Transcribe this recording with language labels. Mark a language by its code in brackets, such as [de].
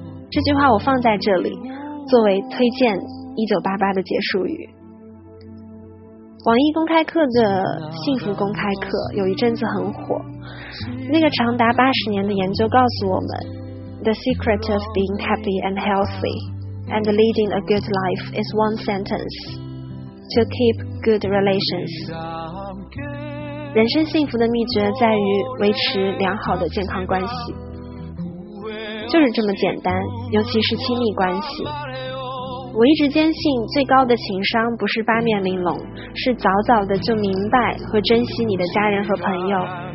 [zh] 这句话我放在这里作为推荐1988的结束语。网易公开课的幸福公开课有一阵子很火，那个长达80年的研究告诉我们， [en] The secret of being happy and healthy and leading a good life is one sentence: to keep good relations. [zh] 人生幸福的秘诀在于维持良好的健康关系，就是这么简单，尤其是亲密关系。我一直坚信最高的情商不是八面玲珑，是早早的就明白和珍惜你的家人和朋友。